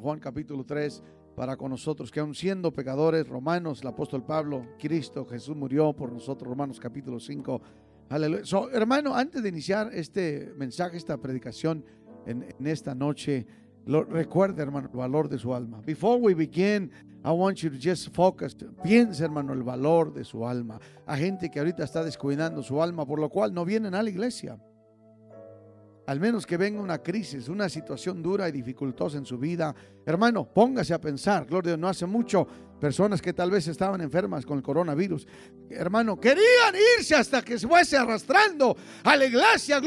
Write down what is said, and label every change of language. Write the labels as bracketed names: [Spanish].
[Spanish] Juan capítulo 3, para con nosotros, que aun siendo pecadores, Romanos, el apóstol Pablo, Cristo, Jesús murió por nosotros. Romanos capítulo 5. Aleluya. So, hermano, antes de iniciar este mensaje, esta predicación en esta noche, recuerde, hermano, el valor de su alma. [English] Before we begin, I want you to just focus. [Spanish] Piense, hermano, el valor de su alma. Hay gente que ahorita está descuidando su alma, por lo cual no vienen a la iglesia. Al menos que venga una crisis, una situación dura y dificultosa en su vida. Hermano, póngase a pensar. Gloria a Dios, no hace mucho, personas que tal vez estaban enfermas con el coronavirus, hermano, querían irse hasta que se fuese arrastrando a la iglesia.